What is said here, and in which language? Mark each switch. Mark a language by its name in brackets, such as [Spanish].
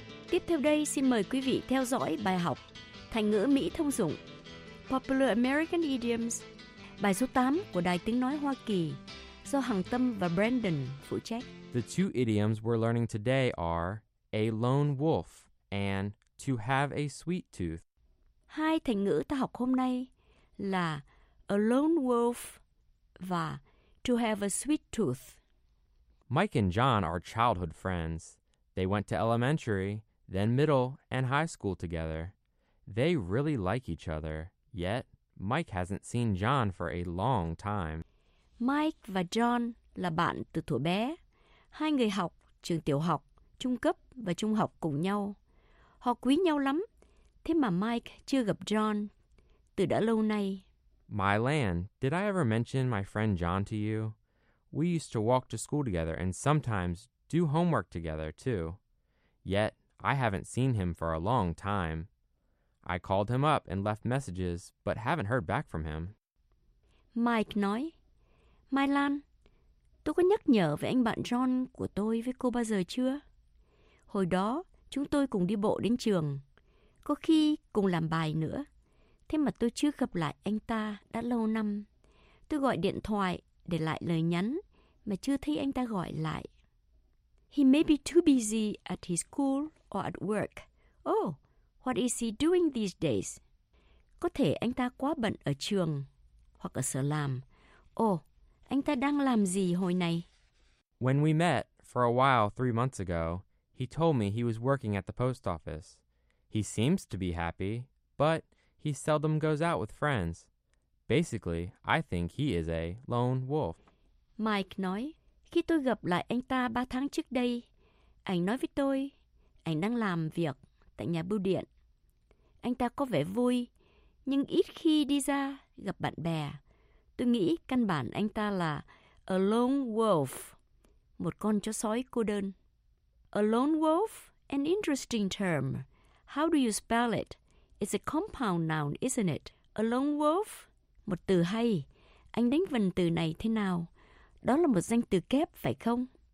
[Vietnamese] Tiếp theo đây xin mời quý vị theo dõi bài học thành ngữ Mỹ thông dụng Popular American Idioms, bài số 8 của Đài Tiếng Nói Hoa Kỳ do Hằng Tâm và Brandon phụ trách. [English] The two idioms we're learning today are a lone wolf and to have a sweet tooth. [Vietnamese] Hai thành ngữ ta học hôm nay là [English] a lone wolf [Vietnamese] và [English] to have a sweet tooth. Mike and John are childhood friends. They went to elementary, then middle and high school together. They really like each other, yet Mike hasn't seen John for a long time. [Vietnamese] Mike và John là bạn từ thuở bé. Hai người học trường tiểu học, trung cấp và trung học cùng nhau. Họ quý nhau lắm, thế mà Mike chưa gặp John từ đã lâu nay. [English] My Lan, did I ever mention my friend John to you? We used to walk to school together and sometimes do homework together too. Yet I haven't seen him for a long time. I called him up and left messages, but haven't heard back from him. [Vietnamese] Mike nói, Mai Lan, tôi có nhắc nhở về anh bạn John của tôi với cô bao giờ chưa? Hồi đó, chúng tôi cùng đi bộ đến trường, có khi cùng làm bài nữa. Thế mà tôi chưa gặp lại anh ta đã lâu năm. Tôi gọi điện thoại để lại lời nhắn, mà chưa thấy anh ta gọi lại. [English] He may be too busy at his school or at work. Oh, what is he doing these days? [Vietnamese] Có thể anh ta quá bận ở trường hoặc ở sở làm. Oh, anh ta đang làm gì hồi này? [English] When we met, for a while, 3 months ago, he told me he was working at the post office. He seems to be happy, but he seldom goes out with friends. Basically, I think he is a lone wolf. [Vietnamese] Mike nói, khi tôi gặp lại anh ta 3 tháng trước đây, anh nói với tôi, anh đang làm việc tại nhà bưu điện. Anh ta có vẻ vui, nhưng ít khi đi ra gặp bạn bè. Tôi nghĩ căn bản anh ta là [English] a lone wolf, [Vietnamese] một con chó sói cô đơn. [English] A lone wolf, an interesting term. How do you spell it? It's a compound noun, isn't it? A lone wolf? [Vietnamese] Một từ hay. Anh đánh vần từ này thế nào? Đó là một danh từ kép, phải không?